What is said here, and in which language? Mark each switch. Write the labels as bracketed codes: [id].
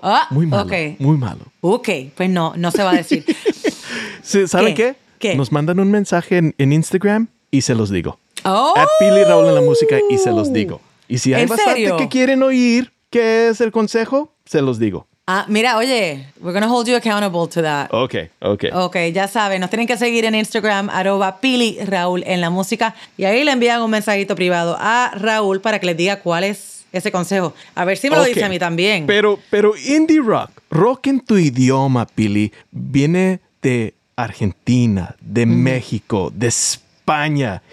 [es] Muy malo. Okay. Muy malo. Ok. Pues no, no se va a decir. Sí, ¿saben qué? Nos mandan un mensaje en Instagram y se los digo. Oh. At Pili Raúl en la música y se los digo. Y si hay bastante que quieren oír qué es el consejo, se los digo. Ah, mira, oye, [en] we're going to hold you accountable to that. Okay, [es] ya saben, nos tienen que seguir en Instagram, @PiliRaúl en la música. Y ahí le envían un mensajito privado a Raúl para que les diga cuál es ese consejo. A ver si me lo dice a mí también. Pero indie rock, rock en tu idioma, Pili, viene de Argentina, de México, de España.